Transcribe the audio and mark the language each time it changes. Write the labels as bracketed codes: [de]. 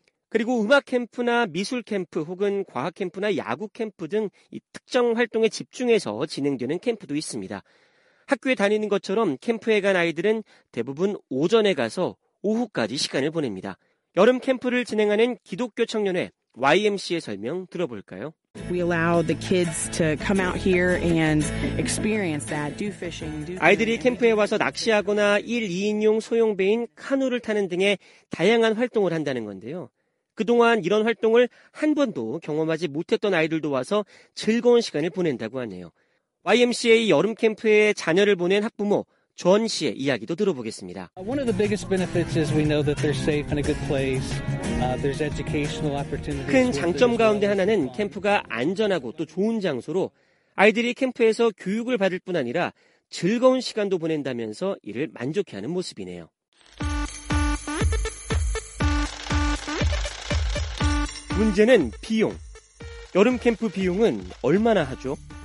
[ko] 그리고 음악 캠프나 미술 캠프 혹은 과학 캠프나 야구 캠프 등 이 특정 활동에 집중해서 진행되는 캠프도 있습니다. 학교에 다니는 것처럼 캠프에 간 아이들은 대부분 오전에 가서 오후까지 시간을 보냅니다. 여름 캠프를 진행하는 기독교 청년회 YMC의 설명 들어볼까요? [en] We allow the kids to come out here and experience that. Do fishing. [ko] 아이들이 캠프에 와서 낚시하거나 1, 2인용 소형배인 카누를 타는 등의 다양한 활동을 한다는 건데요. 그동안 이런 활동을 한 번도 경험하지 못했던 아이들도 와서 즐거운 시간을 보낸다고 하네요. YMCA 여름 캠프에 자녀를 보낸 학부모 존 씨의 이야기도 들어보겠습니다. [en] One of the biggest benefits is we know that they're safe and a good place. There's educational opportunities. [ko] 큰 장점 가운데 하나는 캠프가 안전하고 또 좋은 장소로 아이들이 캠프에서 교육을 받을 뿐 아니라 즐거운 시간도 보낸다면서 이를 만족해하는 모습이네요. 문제는 비용. 여름 캠프 비용은 얼마나 하죠?